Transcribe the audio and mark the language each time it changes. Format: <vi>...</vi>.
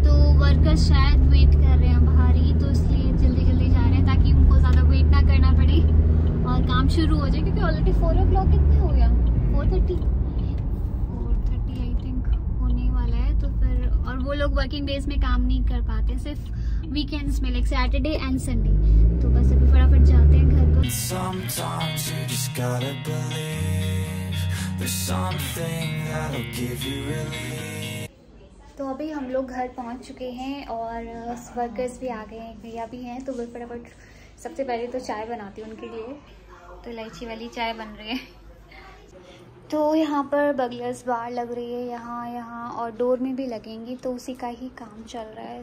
<hi>तो वर्कर्स शायद वेट कर रहे हैं बाहर ही तो इसलिए जल्दी जल्दी जा रहे हैं ताकि उनको ज़्यादा वेट ना करना पड़े. और काम शुरू हो जाए, क्योंकि ऑलरेडी 4 o'clock कितने हो गया, 4:30 आई थिंक होने वाला है. तो फिर और वो लोग वर्किंग डेज में काम नहीं कर पाते, सिर्फ वीकेंड्स में, लाइक सैटरडे एंड संडे. तो बस अभी फटाफट जाते हैं घर पर.</hi> <en>Sometimes you just gotta believe there's something that'll give you relief.</en> <hi>तो अभी हम लोग घर पहुंच चुके हैं और वर्कर्स भी आ गए हैं, भैया भी हैं. तो वो फटाफट सबसे पहले तो चाय बनाती हूँ उनके लिए. तो इलायची वाली चाय बन रही है. तो यहाँ पर बगलर्स बार लग रही है यहाँ यहाँ, और डोर में भी लगेंगी, तो उसी का ही काम चल रहा है.</hi>